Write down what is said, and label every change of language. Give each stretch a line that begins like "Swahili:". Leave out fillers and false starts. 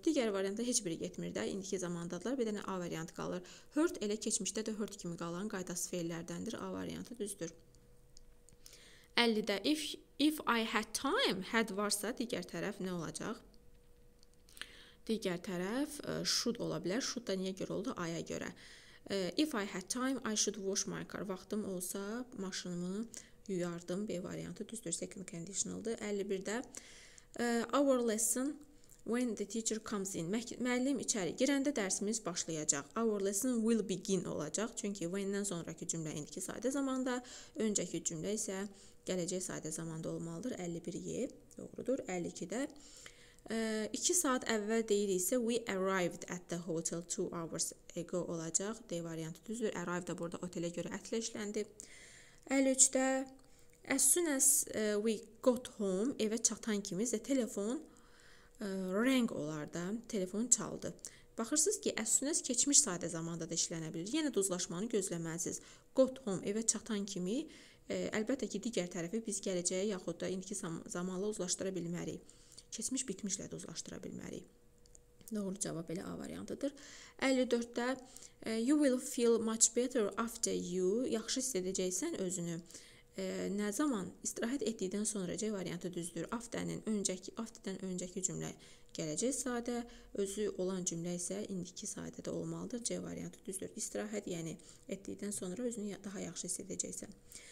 Azerbaijani: Digər variantda heç biri getmir də, indiki zamandadırlar. Bir dənə A variantı qalır. Hurt elə keçmişdə də hurt kimi qalan qaydası feillərdəndir. A variantı düzdür. 50-də
English: if I had time,
Azerbaijani: had varsa, digər tərəf nə olacaq? Digər tərəf should ola bilər. Should da niyə görə oldu? Aya görə.
English: If I had time, I should wash my car.
Azerbaijani: Vaxtım olsa, maşınımı yuyardım. B variantı düzdür. Second conditional-dır. 51-də
English: our lesson when the teacher comes in.
Azerbaijani: Müəllim içəri girəndə dərsimiz başlayacaq.
English: Our lesson will begin
Azerbaijani: olacaq. Çünki when-dən sonraki cümlə indiki sadə zamanda, öncəki cümlə isə gələcək sadə zamanda olmalıdır. 51-y doğrudur. 52-də 2 saat əvvəl deyiriksə,
English: we arrived at the hotel 2 hours ago
Azerbaijani: olacaq. D variantı düzdür. Arrived da burada otelə görə ətlə işləndi. 53-də
English: as soon as we got home,
Azerbaijani: evə çatan kimi telefon rang olardı. Telefon çaldı. Baxırsınız ki, əslində keçmiş sadə zamanda da işlənə bilir. Yenə də uzlaşmanı gözləməlisiniz.
English: Got home
Azerbaijani: evə çatan kimi, əlbəttə ki, digər tərəfi biz gələcəyə yaxud da indiki zamanla uzlaşdıra bilmərik. Keçmiş bitmişlə də uzlaşdıra bilmərik. Doğru cavab elə A variantıdır.
English: 54-də you will feel much better after you.
Azerbaijani: Yaxşı hiss edəcəksən özünü. Nə zaman? İstirahət etdikdən sonra C variantı düzdür. After-dən öncəki cümlə gələcək sadə. Özü olan cümlə isə indiki sadədə olmalıdır. C variantı düzdür. İstirahət, yəni etdikdən sonra özünü daha yaxşı hiss edəcəksən.